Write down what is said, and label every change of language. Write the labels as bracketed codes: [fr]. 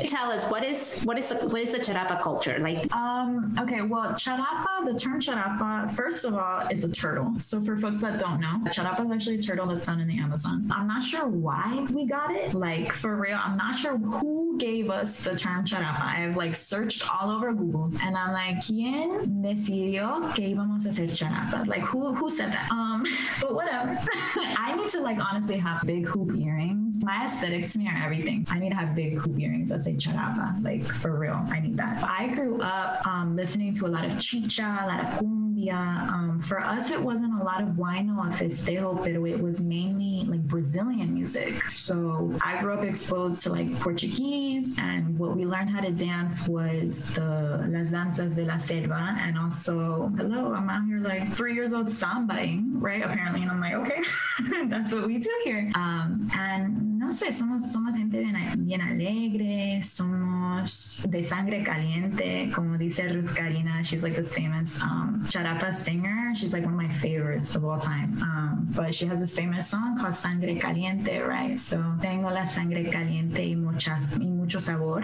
[en] Tell us, what is the charapa culture? Like, okay, well, charapa, the term charapa, first of all, it's a turtle. So for folks that don't know, charapa is actually a turtle that's found in the Amazon. I'm not sure why we got it. Like, for real, I'm not sure who gave us the term charapa. I've like searched all over Google and I'm like, ¿quién decidió que íbamos a ser charapa? Like, who said that? But whatever. I need to like honestly have big hoop earrings. My aesthetics to me are everything. I need to have big hoop earrings that say charapa. Like, for real, I need that. I grew up listening to a lot of chicha, a lot of cumbia. For us, it wasn't a lot of guayno or festejo, pero it was mainly like Brazilian music. So I grew up exposed to like Portuguese, and what we learned how to dance was the las danzas de la selva. And also, hello, I'm out here like 3 years old sambaing, right? Apparently. And I'm like, okay, that's what we do here. [es] And no sé, somos gente bien alegre, somos de sangre caliente, como dice Ruth Karina. [en] She's like this famous charapa singer. She's like one of my favorites of all time. But she has this famous song called Sangre Caliente, right? [es] So, tengo la sangre caliente y mucho sabor.